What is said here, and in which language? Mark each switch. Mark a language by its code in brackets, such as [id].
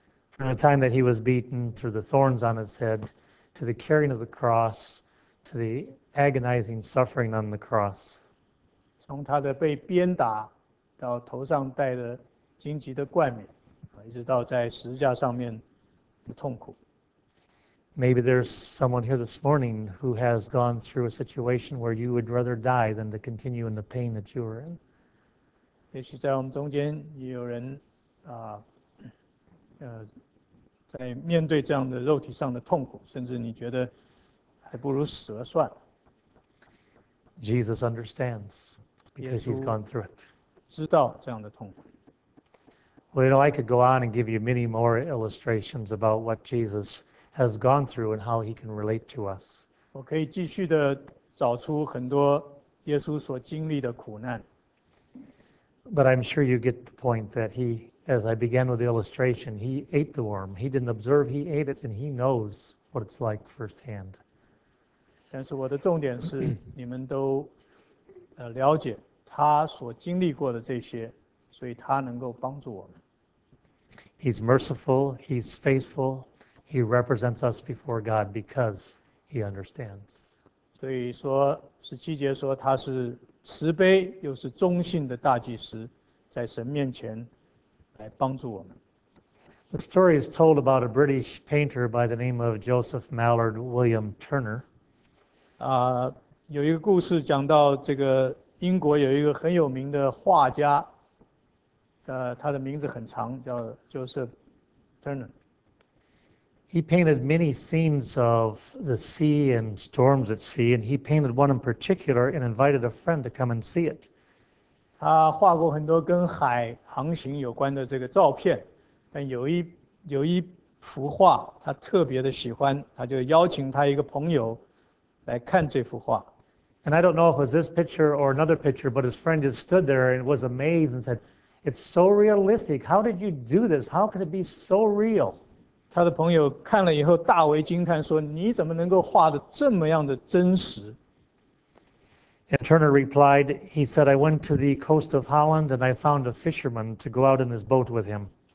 [en] From the time that he was beaten, through the thorns on his head, to the carrying of the cross, to the agonizing suffering on the cross. From his being beaten, to his head wearing the crown of thorns. [zh] 一直到在十字架上面的痛苦。 [en] Maybe there's someone here this morning who has gone through a situation where you would rather die than to continue in the pain that you are in. [zh] 也许在我们中间也有人在面对这样的肉体上的痛苦，甚至你觉得还不如死了算了。 [en] Jesus understands because he's gone through it. [zh] 知道这样的痛苦。 [en] Well, you know, I could go on and give you many more illustrations about what Jesus has gone through and how he can relate to us. [zh] 我可以继续地找出很多耶稣所经历的苦难。 [en] But I'm sure you get the point that he, as I began with the illustration, he ate the worm. He didn't observe, he ate it, and he knows what it's like firsthand. [zh] 但是我的重点是你们都了解他所经历过的这些。所以他能够帮助我们。 [en] He's merciful, he's faithful, he represents us before God because he understands. [zh] 所以说，十七节说他是慈悲又是忠信的大祭司，在神面前来帮助我们。 [en] The story is told about a British painter by the name of Joseph Mallard William Turner. [zh] 有一个故事讲到这个英国有一个很有名的画家，他的名字很长，叫 Joseph Turner。 [en] He painted many scenes of the sea and storms at sea, and he painted one in particular and invited a friend to come and see it. [zh] 他画过很多跟海航行有关的这个照片，但有一幅画他特别的喜欢，他就邀请他一个朋友来看这幅画。 [en] And I don't know if it was this picture or another picture, but his friend just stood there and was amazed and said, "It's so realistic. How did you do this? How can it be so real?" [zh] 他的朋友看了以后大为惊叹，说：“你怎么能够画得这么样的真实？” [en] And Turner replied, "He said I went to the coast of Holland and I found a fisherman to go out in his boat with him."